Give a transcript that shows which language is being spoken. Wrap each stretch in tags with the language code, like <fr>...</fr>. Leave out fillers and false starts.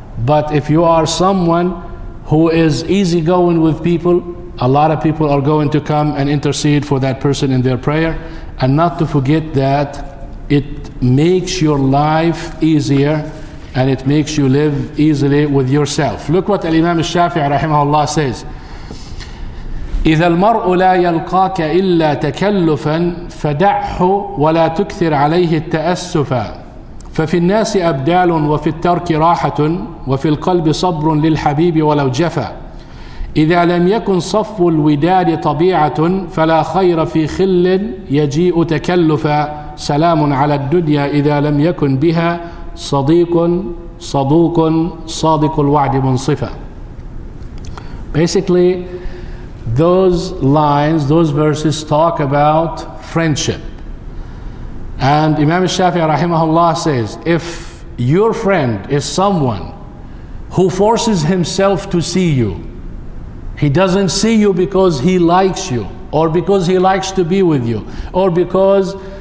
<en>But if you are someone who is easygoing with people, a lot of people are going to come and intercede for that person in their prayer. And not to forget that it makes your life easier and it makes you live easily with yourself. Look what Al-Imam Al-Shafi'i rahimahullah says.</en> <ar>إِذَا الْمَرْءُ لَا يَلْقَاكَ إِلَّا تَكَلُّفًا فَدَعْهُ وَلَا تُكْثِرْ عَلَيْهِ التَّأَسُّفَ فَفِي النَّاسِ أَبْدَالٌ وَفِي التَّرْكِ رَاحَةٌ وَفِي الْقَلْبِ صَبْرٌ لِلْحَبِيبِ وَلَوْ جَفَى إذا لم يكن صف الوداد طبيعة فلا خير في خل يجيء تكلفا سلام على الدنيا إذا لم يكن بها صديق صدوق صادق الوعد منصفا.</ar> <en>Basically, those lines, those verses talk about friendship. And Imam Shafi'i rahimahullah says, if your friend is someone who forces himself to see you, he doesn't see you because he likes you, or because he likes to be with you, or because</en>